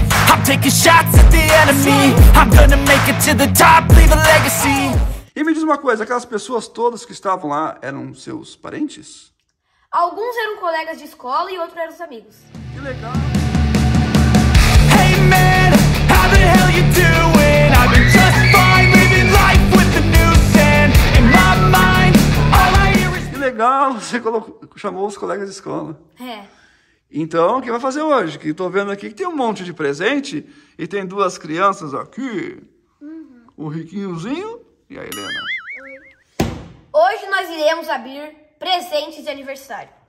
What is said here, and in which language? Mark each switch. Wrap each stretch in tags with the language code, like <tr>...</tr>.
<en>I'm taking shots at the enemy. I'm gonna make it to the top, leave a legacy.</en> <pt>E me diz uma coisa, aquelas pessoas todas que estavam lá eram seus parentes? Alguns eram colegas de escola e outros eram os amigos. Que legal.</pt> <en>Hey man, how the hell you doing? I've been just fine living life with the new sand in my mind. All I hear is...</en> <pt>Que legal, você chamou os colegas de escola. É. Então, o que vai fazer hoje? Que tô vendo aqui que tem um monte de presente e tem duas crianças aqui. Uhum. O riquinhozinho... E aí, Helena? Hoje nós iremos abrir presentes de aniversário.</pt>